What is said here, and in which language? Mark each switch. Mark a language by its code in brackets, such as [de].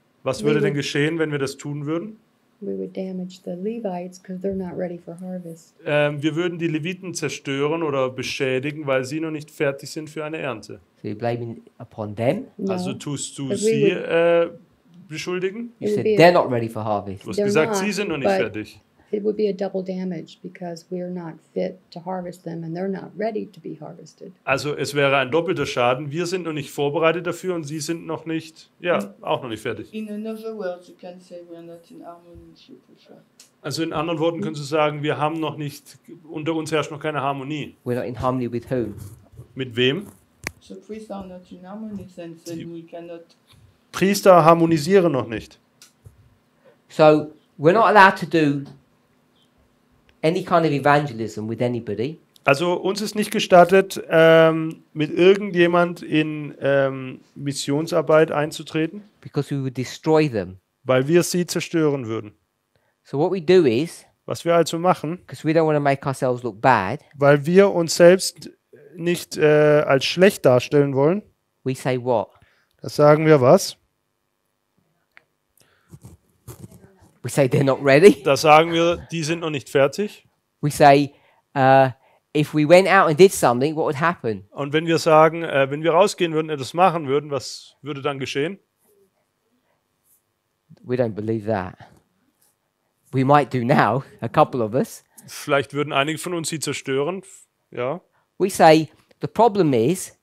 [de] Was würde denn geschehen, wenn wir das tun würden? [en] We would damage the Levites because they're not ready for harvest. [de] Wir würden die Leviten zerstören oder beschädigen, weil sie noch nicht fertig sind für eine Ernte. [en] So you're blaming upon them? [de] Also tust du sie beschuldigen? [en] You said they're not ready for harvest. [de] Du hast gesagt, sie sind noch nicht fertig. [en] It would be a double damage because we are not fit to harvest them and they're not ready to be harvested. [de] Also es wäre ein doppelter Schaden. Wir sind noch nicht vorbereitet dafür und sie sind noch nicht, ja, auch noch nicht fertig. [en] In another word, you can say we are not in harmony with your culture. [de] Also in anderen Worten können Sie sagen, wir haben noch nicht, unter uns herrscht noch keine Harmonie. [en] We're not in harmony with whom? [de] Mit wem? [en] The priests are not in harmony, then we cannot. [de] Priester harmonisieren noch nicht. [en] So we're not allowed to do any kind of evangelism with anybody. [de] Also uns ist nicht gestattet, mit irgendjemand in Missionsarbeit einzutreten. [en] Because we would destroy them. [de] Weil wir sie zerstören würden. [en] So what we do is, [de] was wir also machen, [en] because we don't want to make ourselves look bad, [de] weil wir uns selbst nicht als schlecht darstellen wollen, [en] we say what? [de] Das sagen wir was? [en] We say they're not ready. [de] Da sagen wir, die sind noch nicht fertig. [en] We say, if we went out and did something, what would happen? [de] Und wenn wir sagen, wenn wir rausgehen würden, etwas machen würden, was würde dann geschehen? [en] We don't believe that. We might do now, a couple of us. [de] Vielleicht würden einige von uns sie zerstören, ja. [en] We say, the problem is,